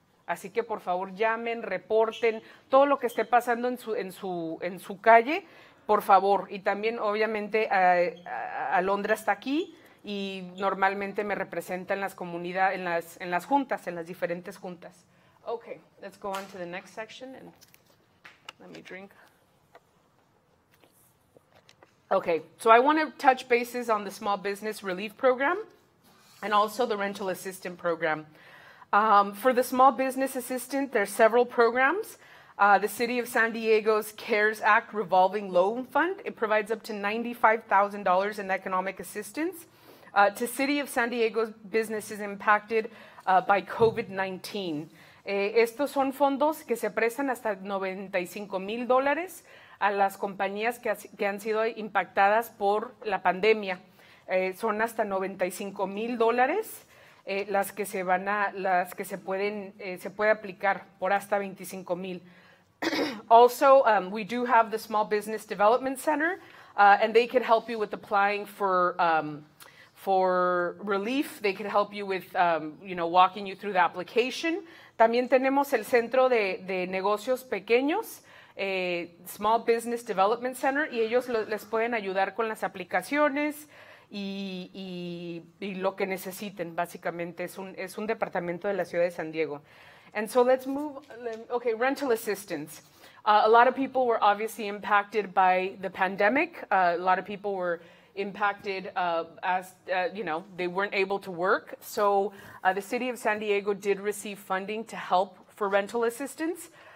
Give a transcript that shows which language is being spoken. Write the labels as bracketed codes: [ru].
[es] Así que por favor llamen, reporten todo lo que esté pasando en su calle, por favor. Y también obviamente Alondra está aquí y normalmente me representa en las comunidades, en las juntas, en las diferentes juntas. [en] Okay, let's go on to the next section and let me drink. Okay, so I want to touch bases on the Small Business Relief Program and also the Rental Assistance Program. For the Small Business Assistant, there are several programs. The City of San Diego's CARES Act Revolving Loan Fund, it provides up to $95,000 in economic assistance to City of San Diego's businesses impacted by COVID-19. [es] Estos son fondos que se prestan hasta $95,000 a las compañías que han sido impactadas por la pandemia. Son hasta $95,000 las que se puede aplicar por hasta $25,000. [en] Also, we do have the Small Business Development Center, and they can help you with applying for relief. They can help you with walking you through the application. [es] También tenemos el Centro de Negocios Pequeños, Small Business Development Center, y ellos les pueden ayudar con las aplicaciones y lo que necesiten, básicamente. Es un departamento de la ciudad de San Diego. [en] And so let's move, okay, rental assistance. A lot of people were obviously impacted by the pandemic. A lot of people were impacted as they weren't able to work. So the City of San Diego did receive funding to help for rental assistance.